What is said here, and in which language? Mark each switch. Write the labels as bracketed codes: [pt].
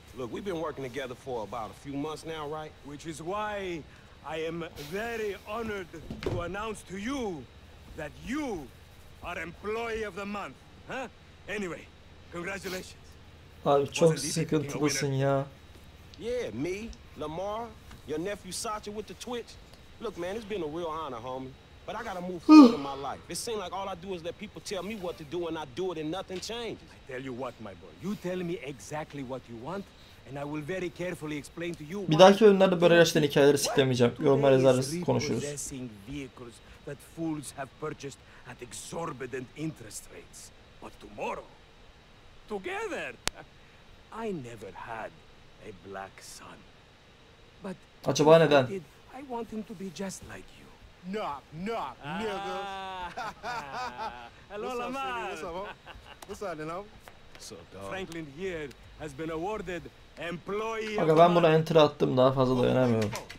[en] Look, we've been working together for about a few months now, right? Which is why I am very honored to announce to you that you are employee of the month, huh? Anyway, congratulations. [tr] Abi çok sıkıntılısın ya. [en] Yeah, me, Lamar, your nephew Sacha with the twitch. Look, man, it's been a real honor, homie. But I gotta move forward in my life. It seems like all I do is let people tell me what to do, and I do it, and nothing changes. I tell you what, my boy. You tell me exactly what you want, and I will very carefully explain to you. [tr] Bir dahaki oyunlarda böyle yaşlı hikayeleri siklemeyeceğim. Yorumlar yazarız, konuşuruz. [en] That fools have purchased at exorbitant interest rates. But tomorrow, together, I never had a black son. But [tr] acaba neden? [en] I want him to be just like you. Knock, knock, nigga. Hello, Lamar. What's up, homie? What's up, Lamar? What's up, dog? Franklin here has been awarded employee. [tr] Aga, ben buna enter attım, daha fazla dayanamıyorum.